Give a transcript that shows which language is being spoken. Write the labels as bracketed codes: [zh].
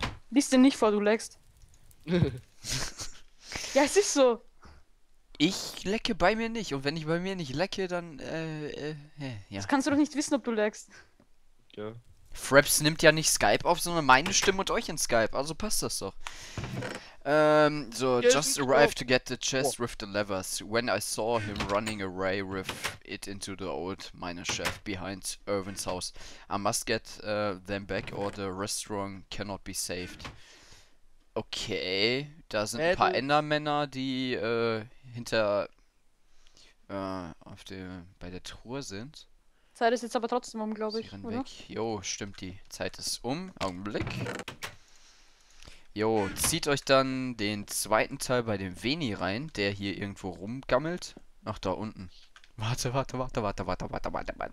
[de] Lies den nicht vor, du leckst. Ja, es ist so. Ich lecke bei mir nicht. Und wenn ich bei mir nicht lecke, dann... ja. Das kannst du doch nicht wissen, ob du leckst. Ja. Fraps nimmt ja nicht Skype auf, sondern meine Stimme und euch in Skype. Also passt das doch. [en] So, ja, just arrived to get the chest with the levers. When I saw him running away with it into the old miner shaft behind Irvin's house, I must get them back or the restaurant cannot be saved. [de] Okay, da sind ein paar Endermänner, die bei der Truhe sind. Zeit ist jetzt aber trotzdem um, glaube ich. Jo, stimmt, die Zeit ist um. Augenblick. Jo, zieht euch dann den zweiten Teil bei dem Veni rein, der hier irgendwo rumgammelt. Ach, da unten. Warte.